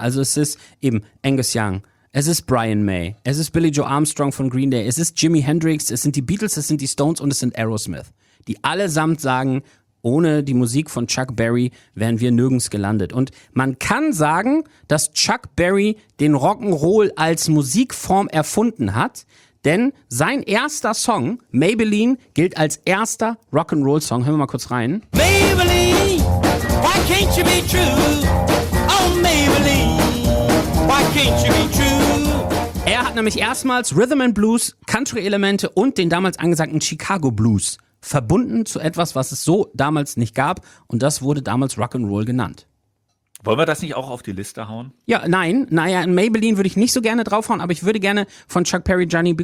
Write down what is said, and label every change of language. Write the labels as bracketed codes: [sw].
[de] Also es ist eben Angus Young. Es ist Brian May, es ist Billy Joe Armstrong von Green Day, es ist Jimi Hendrix, es sind die Beatles, es sind die Stones und es sind Aerosmith, die allesamt sagen, ohne die Musik von Chuck Berry wären wir nirgends gelandet. Und man kann sagen, dass Chuck Berry den Rock'n'Roll als Musikform erfunden hat, denn sein erster Song, Maybelline, gilt als erster Rock'n'Roll-Song. Hören wir mal kurz rein. [en] Maybelline, why can't you be true? Oh, Maybelline, why can't you be true? [de] Er hat nämlich erstmals Rhythm and Blues, Country-Elemente und den damals angesagten Chicago Blues verbunden zu etwas, was es so damals nicht gab, und das wurde damals Rock'n'Roll genannt. Wollen wir das nicht auch auf die Liste hauen? Ja, nein, naja, in Maybelline würde ich nicht so gerne draufhauen, aber ich würde gerne von Chuck Berry Johnny B.